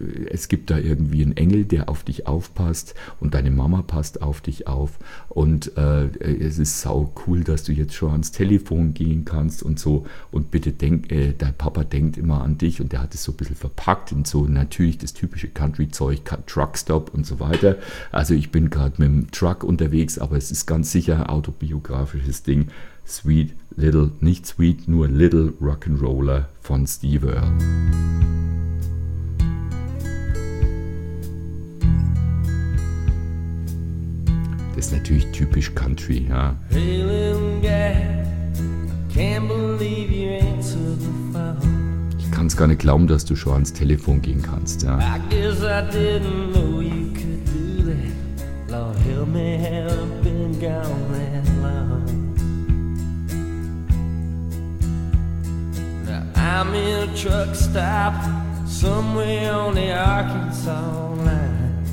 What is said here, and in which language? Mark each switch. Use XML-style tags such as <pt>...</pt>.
<de>es gibt da irgendwie einen Engel, der auf dich aufpasst und deine Mama passt auf dich auf und es ist sau cool, dass du jetzt schon ans Telefon gehen kannst und so und bitte denk, dein Papa denkt immer an dich und der hat es so ein bisschen verpackt und so natürlich das typische Country-Zeug, Truckstop und so weiter, also ich bin gerade mit dem Truck unterwegs, aber es ist ganz sicher ein autobiografisches Ding, Sweet Little, nicht Sweet, nur Little Rock'n'Roller von Steve Earle. Das ist natürlich typisch Country, ja.</de> <en>Hey little guy, I can't believe you answered the phone.</en> <de>Ich kann es gar nicht glauben, dass du schon ans Telefon gehen kannst, ja.</de> <en>I guess I didn't know you could do that. Lord, help me, I've been gone that long. I'm in a truck stop somewhere on the Arkansas line.</en>